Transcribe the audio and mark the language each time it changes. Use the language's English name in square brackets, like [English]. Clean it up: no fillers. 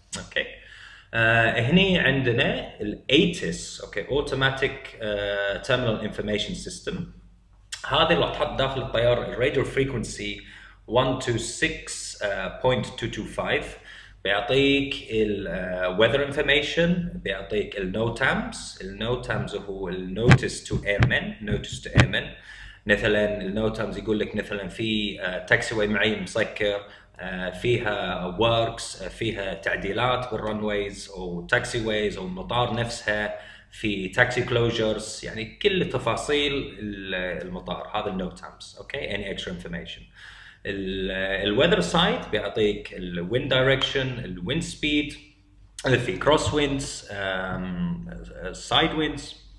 [Arabic] اوكي، هني عندنا الايتس، اوكي، اوتوماتيك تيرمينال انفورميشن سيستم. هذه اللي تحط داخل الطيار الراديو فريكوانسي 126.225، بيعطيك ال weather information، بيعطيك ال NOTAMs. ال NOTAMs هو ال notice to airmen، notice to airmen. مثلاً ال NOTAMs يقول لك مثلاً في taxiway معين مسكر، فيها works، فيها تعديلات بالرنويز أو taxiways أو المطار نفسها، في taxi closures، يعني كل تفاصيل المطار هذا ال NOTAMs. [English] Okay, any extra information. [Arabic] ال weather side بيعطيك ال wind direction، ال wind speed، في cross winds، side winds.